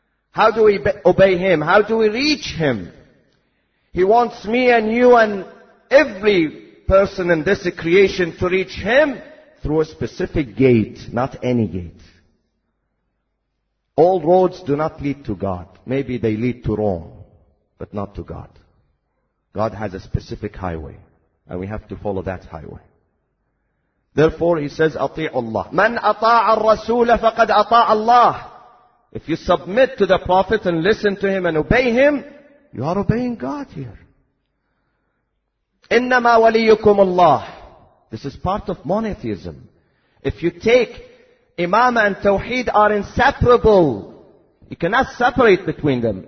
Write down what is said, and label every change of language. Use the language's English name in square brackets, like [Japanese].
[English] How do we obey him? How do we reach him? He wants me and you and every person in this creation to reach him through a specific gate, not any gate. All roads do not lead to God. Maybe they lead to Rome, but not to God. God has a specific highway, and we have to follow that highway. Therefore, he says, [Arabic] أَطِيعُ اللَّهِ مَنْ أَطَاعَ الرَّسُولَ فَقَدْ أَطَاعَ اللَّهِ. [English] If you submit to the Prophet and listen to him and obey him, you are obeying God here. [Arabic] إِنَّمَا وَلِيُّكُمُ اللَّهِ. [English] This is part of monotheism. If you take imamah and tawheed are inseparable, you cannot separate between them.